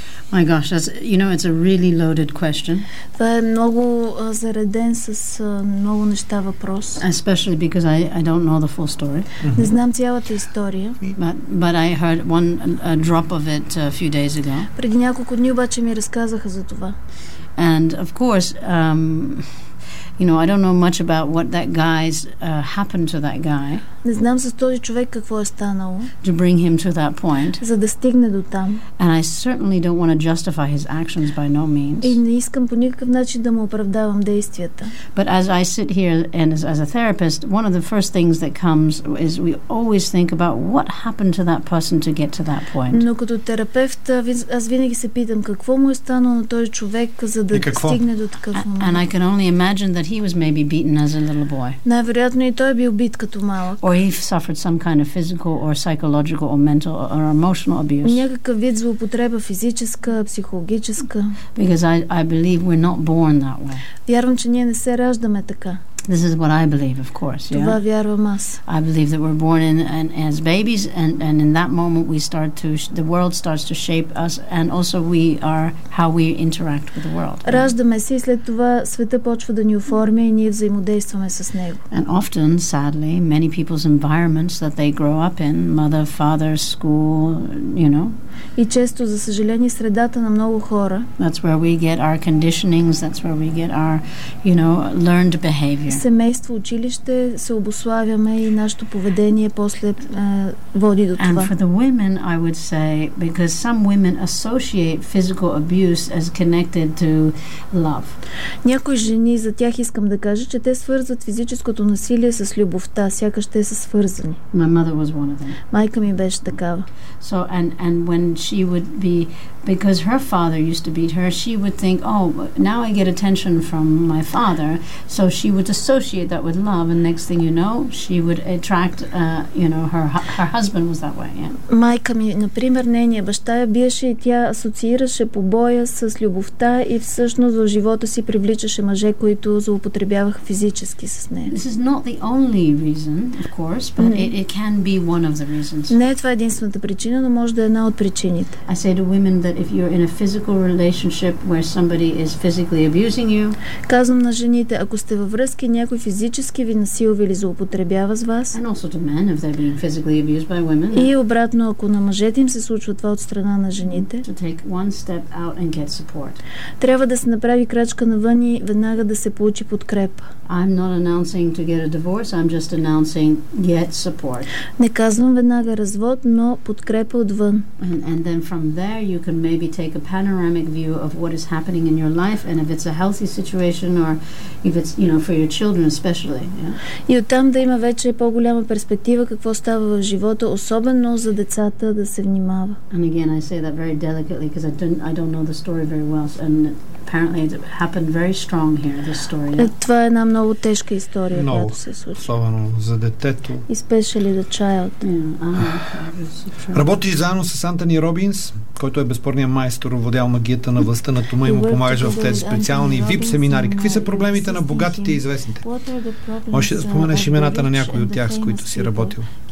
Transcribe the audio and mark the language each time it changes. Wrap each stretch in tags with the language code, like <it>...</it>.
<en>My gosh, that's, you know, it's a really loaded question.</en> <bg>Това е много зареден с много неща въпрос.</bg> <en>Especially because I don't know the full story.</en> <bg>Не знам цялата история.</bg> <en>But I heard a drop of it a few days ago.</en> <bg>Преди няколко дни обаче ми разказаха за това.</bg> <en>And of course, you know, I don't know much about what that guy's happened to that guy.</en> <bg>Не знам с този човек какво е станало.</bg> <en>To bring him to that point.</en> <bg>За да стигне до там.</bg> <en>And I certainly don't want to justify his actions by no means.</en> <bg>И не искам по никакъв начин да му оправдавам действията.</bg> <en>But as I sit here and as a therapist, one of the first things that comes is we always think about what happened to that person to get to that point.</en> <bg>Но като терапевт, аз винаги се питам какво му е станало на този човек, за да стигне до такъв момент.</bg> <en>And I can only imagine that he was maybe beaten as a little boy.</en> <bg>Най-вероятно и той е бил бит като малък.</bg> <en>Or he suffered some kind of physical or psychological or mental or emotional abuse.</en> <bg>Някакъв вид злоупотреба физическа, психологическа.</bg> <en>Because I believe we're not born that way.</en> <bg>Вярвам, че ние не се раждаме така.</bg> <en>This is what I believe, of course.</en> <bg>Това вярвам аз.</bg> <en>I believe that we're born in as babies, and in that moment the world starts to shape us, and also we are how we interact with the world.</en> <bg>Раждаме се и след това света почва да ни оформя и ние взаимодействаме с него.</bg> <en>And often, sadly, many people's environments that they grow up in, mother, father, school, you know.</en> <bg>И често, за съжаление, средата на много хора.</bg> <en>That's where we get our conditionings, that's where we get our, you know, learned behavior.</en> <bg>Семейство, училище, се обославяме и нашето поведение после води до това.</bg> <en>And for the women, I would say, because some women associate physical abuse as connected to love.</en> <bg>Някои жени, за тях искам да кажа, че те свързват физическото насилие с любовта, сякаш те са свързани.</bg> <en>My mother was one of them.</en> <bg>Майка ми беше такава.</bg> <en>So, and when she would be, because her father used to beat her, she would think, oh, now I get attention from my father, so she would associate that with love, and next thing you know, she would attract, her husband was that way. Yeah.</en> <bg>Майка ми, например, нейния баща я биеше и тя асоциираше побоя с любовта и всъщност в живота си привличаше мъже, които злоупотребяваха физически с нея.</bg> <en>This is not the only reason, of course, but it can be one of the reasons.</en> <bg>Не е това единствената причина, но може да е една от причините.</bg> <en>I say to women that if you're in a physical relationship where somebody is physically abusing you,</en> <bg>казвам на жените, ако сте във връзки, някой физически ви насилва или злоупотребява с вас.</bg> <en>And also to men, if they've been physically abused by women.</en> <bg>И обратно, ако на мъжете им се случва това от страна на жените,</bg> <en>to take one step out and get support.</en> <bg>Трябва да се направи крачка навън и веднага да се получи подкрепа.</bg> <en>I'm not announcing to get a divorce, I'm just announcing get support.</en> <bg>Не казвам веднага развод, но подкрепа отвън.</bg> <en>And then from there you can maybe take a panoramic view of what is happening in your life, and if it's a healthy situation or if it's, you know, for your children especially.</en> <bg>И оттам да има вече по-голяма перспектива какво става в живота, особено за децата, да се внимава.</bg> <en>And again, I say that very delicately because I don't know the story very well, and apparently it happened very strong here, this story.</en> <bg>Това е една много тежка история, която се случи. Особено за детето.</bg> <en>Especially the child. Yeah.</en> <bg>Работиш заедно с Антони Робинс, който е безспорният майстор, владял магията на властта на тума и му помагаш в тези специални VIP семинари. Какви са проблемите на богатите и известните? Може да споменеш имената на някои от тях, с които си работил?</bg>